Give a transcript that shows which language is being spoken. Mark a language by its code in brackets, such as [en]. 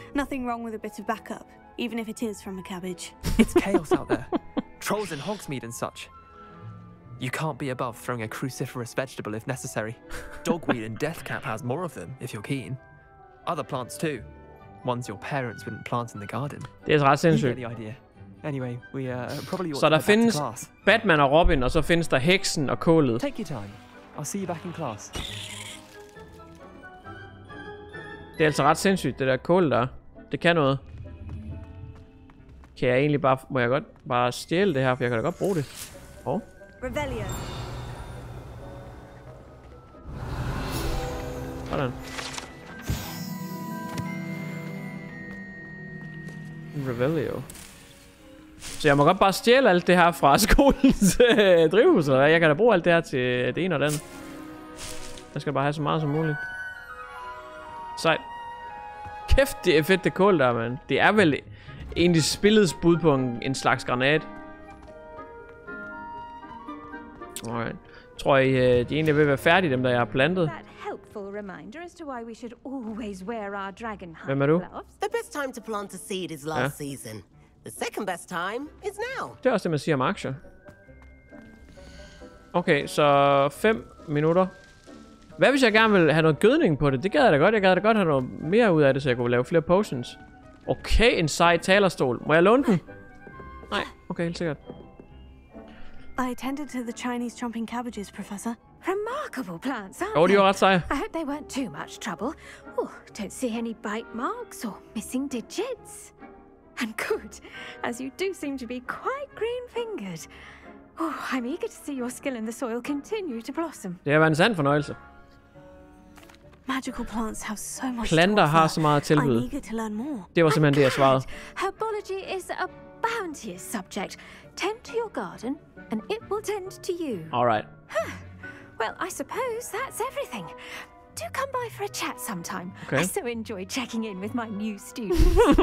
[en] Nothing wrong with a bit of backup, even if it is from a cabbage. It's chaos out there. Trolls in Hogsmeade and such. You can't be above throwing a cruciferous vegetable if necessary. Dogweed and Deathcap has more of them, if you're keen. Other plants too. Ones your parents wouldn't plant in the garden. [da] Det er ret sindssygt. [en] The idea. Anyway, we probably [da] så der findes Batman og Robin, og så findes der heksen og kålet. [en] Take your time. I'll see you back in class. [da] Det er altså ret sindssygt, det der kål der. Det kan noget. Kan jeg egentlig bare, må jeg godt bare stjæle det her, for jeg kan da godt bruge det. Åh. Rebellion. Hvordan? Revelio. Så jeg må godt bare stjæle alt det her fra skolens drivhus, eller hvad? Jeg kan da bruge alt det her til det ene og det andet. Jeg skal bare have så meget som muligt. Sejt. Kæft, det er fedt, det kål der, mand. Det er vel egentlig spillets bud på en slags granat. [en] Alright. [da] Tror I, de egentlig vil være færdige, dem der, jeg har plantet? [en] Helpful reminder as to why we should always wear our dragon hunt gloves. The best time to plant a seed is last season. The second best time is now. [da] Det er også det, man siger om aktier. Okay, så 5 minutter. Hvad hvis jeg gerne vil have noget gødning på det? Det gad jeg da godt. Jeg gad da godt have noget mere ud af det, så jeg kunne lave flere potions. Okay, en sej talerstol. Må jeg låne den? Nej. Okay, helt sikkert. [en] I attended to the Chinese chomping cabbages, professor. Remarkable plants, aren't they? Oh, you're right, sir. I hope they weren't too much trouble. Oh, don't see any bite marks or missing digits. And good, as you do seem to be quite green-fingered. Oh, I'm eager to see your skill in the soil continue to blossom. [da] Det er en sand fornøjelse. [en] Magical plants have so much. [da] Planter har så meget tilbud. [en] I'm eager to learn more. [da] Det var simpelthen det, jeg svarede. [en] Herbology is a bounteous subject. Tend to your garden, and it will tend to you. All right. Well, I suppose that's everything. Do come by for a chat sometime. Okay. I so enjoy checking in with my new students.